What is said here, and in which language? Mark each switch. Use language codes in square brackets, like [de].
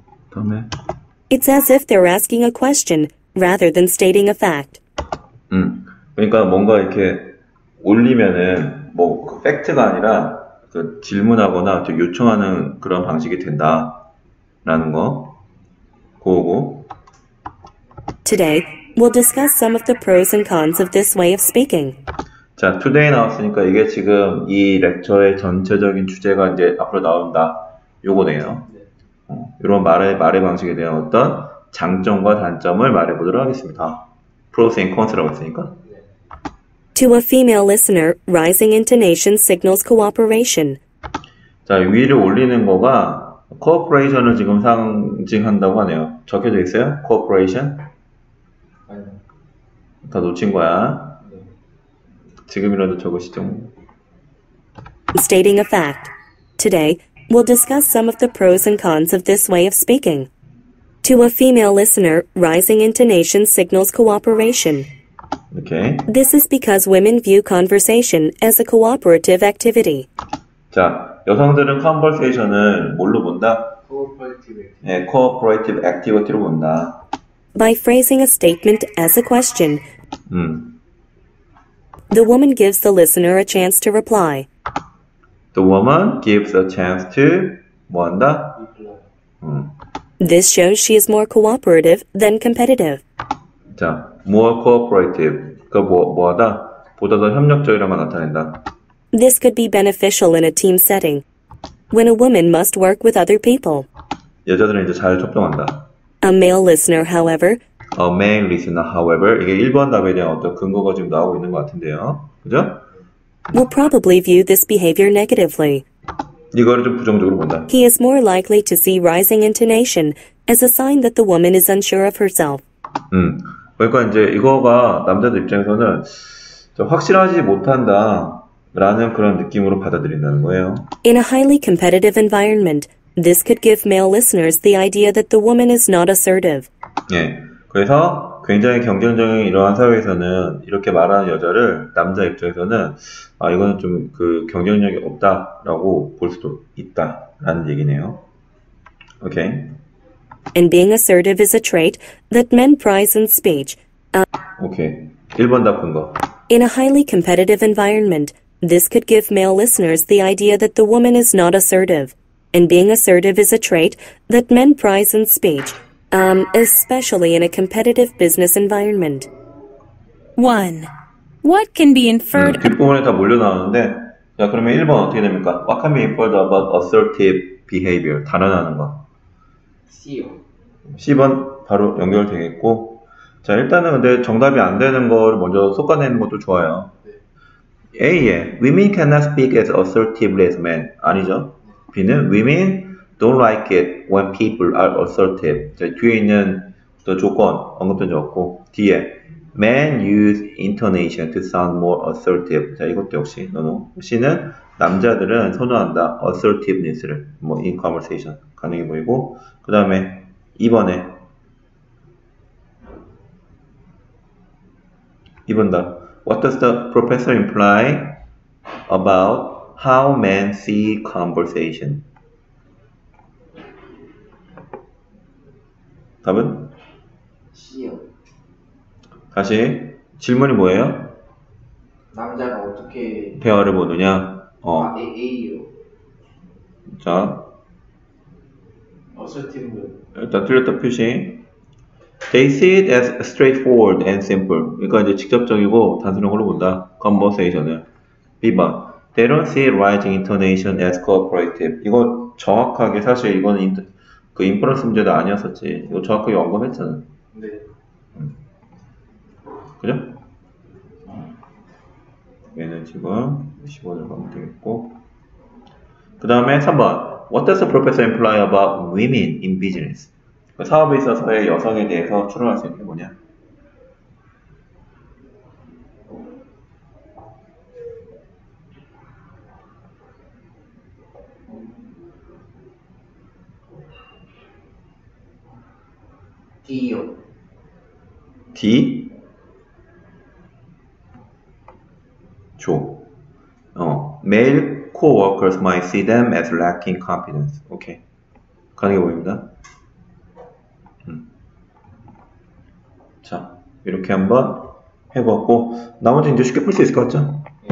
[ko] 그러네. [en] It's as if they're asking a question rather than stating a fact. [ko] 그러니까 뭔가 이렇게 올리면은 뭐 그 팩트가 아니라 그 질문하거나 요청하는 그런 방식이 된다라는 거. 그거고. [en] Today, we'll discuss some of the pros and cons of this way of speaking. [ko] 자, [en] today [ko] 나왔으니까 이게 지금 이 렉처의 전체적인 주제가 이제 앞으로 나온다. 요거네요. 이런 말의 방식에 대한 어떤 장점과 단점을 말해보도록 하겠습니다. Pros and cons라고 했으니까. [en] To a female listener, rising intonation signals cooperation. [ko] 자, 위를 올리는 거가 cooperation을 지금 상징한다고 하네요. 적혀져 있어요? Cooperation? 아니요. 다 놓친 거야. 지금이라도 적으시죠. [en] Stating a fact. Today, we'll discuss some of the pros and cons of this way of speaking. To a female listener, rising intonation signals cooperation. Okay. This is because women view conversation as a cooperative activity. [ko] 자, 여성들은 conversation을 뭘로 본다? [en] Cooperative. [ko] 네, cooperative activity로 본다. [en] By phrasing a statement as a question, the woman gives the listener a chance to reply. The woman gives a chance to [ko] 뭐한다? [en] This shows she is more cooperative than competitive. [ko] 자, [en] more cooperative. [ko] 뭐하다? 보다 더 협력적이란 말 나타낸다. [en] This could be beneficial in a team setting. When a woman must work with other people. [ko] 여자들은 이제 잘 협동한다. [en] A male listener, however. A male listener, however. [ko] 이게 1번 답에 대한 어떤 근거가 지금 나오고 있는 것 같은데요. 그죠? [en] Will probably view this behavior negatively. [ko] 이거를 좀 부정적으로 본다. [en] He is more likely to see rising intonation as a sign that the woman is unsure of herself. [ko] 그러니까 이제 이거가 남자들 입장에서는 좀 확실하지 못한다 라는 그런 느낌으로 받아들인다는 거예요. [en] In a highly competitive environment, this could give male listeners the idea that the woman is not assertive. [ko] 예. 그래서 굉장히 경쟁적인 이러한 사회에서는 이렇게 말하는 여자를 남자 입장에서는 아 이거는 좀 그 경쟁력이 없다라고 볼 수도 있다라는 얘기네요. [en] Okay. And being assertive is a trait that men prize in speech. [ko] Okay. 1번 답은 거. [en] In a highly competitive environment, this could give male listeners the idea that the woman is not assertive. And being assertive is a trait that men prize in speech. Especially in a competitive business environment. 1. What can be inferred? [ko] 뒷부분에 다 몰려 나오는데, 자 그러면 1번 어떻게 됩니까? [en] What can be inferred about assertive behavior? [ko] 단언하는 거. C요. C번 바로 연결되겠고, 자 일단은 근데 정답이 안 되는 거를 먼저 속아내는 것도 좋아요. 네. [en] A에 women cannot speak as assertively as men. [ko] 아니죠? [en] B는 women don't like it when people are assertive. [ko] 자, 뒤에 있는 또 조건 언급된 적 없고 뒤에 [en] men use intonation to sound more assertive. [ko] 자, 이것도 역시 노노. C는 남자들은 선호한다 assertiveness를 뭐 in conversation 가능해 보이고 그 다음에 2번에 2번 다 [en] What does the professor imply about how men see conversation? [ko] 답은? C요. 다시 질문이 뭐예요? 남자가 어떻게 대화를 보느냐? 아, A요. 자. [en] Assertive. [ko] 일단 틀렸다 표시. [en] They see it as straightforward and simple. [ko] 그러니까 이제 직접적이고 단순한 걸로 본다. Conversation을. B번. [en] They don't see rising intonation as cooperative. [ko] 이거 정확하게 사실 이건 그 인퍼런스 문제도 아니었었지. 이거 정확하게 언급했잖아. 네. 그죠? 얘는 지금 15절 가면 되겠고. 그 다음에 3번. [en] What does the professor imply about women in business? [ko] 그 사업에 있어서의 여성에 대해서 추론할 수 있는 게 뭐냐? 디요. D? 조. [en] male co-workers might see them as lacking confidence. Okay. [ko] 가능해 보입니다. 자, 이렇게 한번 해봤고, 나머지는 이제 쉽게 풀 수 있을 것 같죠?